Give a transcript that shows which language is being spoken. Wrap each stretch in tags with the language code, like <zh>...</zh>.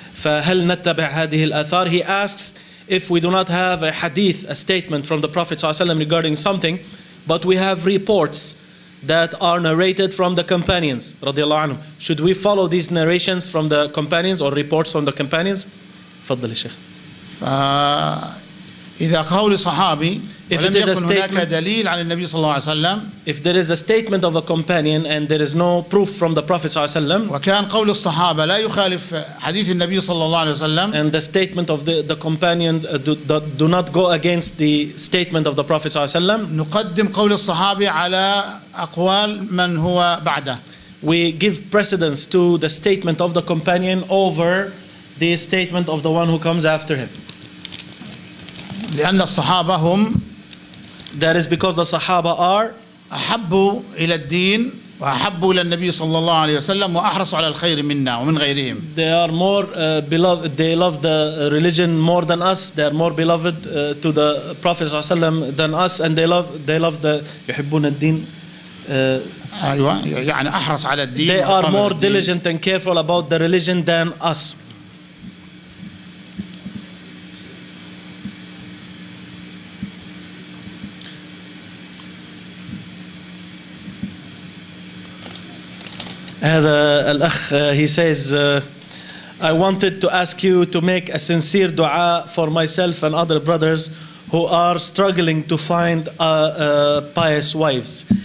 <ar>فهل نتبع هذه الآثار؟</ar> <en>He asks if we do not have a hadith, a statement from the Prophet</en> <ar>صلى الله عليه وسلم</ar> <en>regarding something, but we have reports that are narrated from the companions</en> <ar>رضي الله عنهم.</ar> <en>Should we follow these narrations from the companions or reports from the companions؟</en> <ar>فضل الشيخ. إذا قول صحابي ولم يكن هناك دليل عن النبي صلى الله عليه وسلم.</ar> <en>If there is a statement of a companion and there is no proof from the Prophet</en> <ar>صلى الله عليه وسلم. وكان قول الصحابة لا يخالف حديث النبي صلى الله عليه وسلم.</ar> <en>And the statement of the companion do not go against the statement of the Prophet</en> <ar>صلى الله عليه وسلم. نقدم قول الصحابي على أقوال من هو بعده.</ar> <en>We give precedence to the statement of the companion over the statement of the one who comes after him.</en> <ar>لأن الصحابة هم</ar> <en>that is because the Sahaba are</en> <ar>أحبوا إلى الدين وأحبوا إلى النبي صلى الله عليه وسلم وأحرصوا على الخير منا ومن غيرهم.</ar> <en>They are more beloved. They love the religion more than us. They are more beloved to the Prophet</en> <ar>صلى الله عليه وسلم</ar> <en>than us, and they love the</en> <ar>يحبون الدين. أيوة يعني أحرص على الدين.</ar> <en>They are more diligent and careful about the religion than us.</en> <ar>هذا الأخ</ar> <en>he says I wanted to ask you to make a sincere dua for myself and other brothers who are struggling to find pious wives.</en>